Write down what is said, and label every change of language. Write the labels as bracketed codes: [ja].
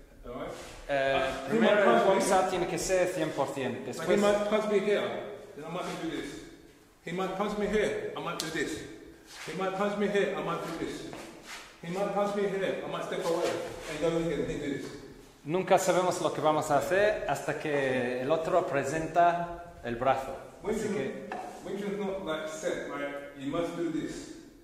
[es] Primero el bongs out tiene que ser 100%. Después, [en] like he might punch me here, then I might do this. He might punch me here, I might do this. He might punch me here, I might do this. He might punch me here, I might step away and go again and do this. [es] Nunca sabemos lo que vamos a hacer hasta que el otro presenta el brazo. [en] Wing Chun not like set, right? You must do this.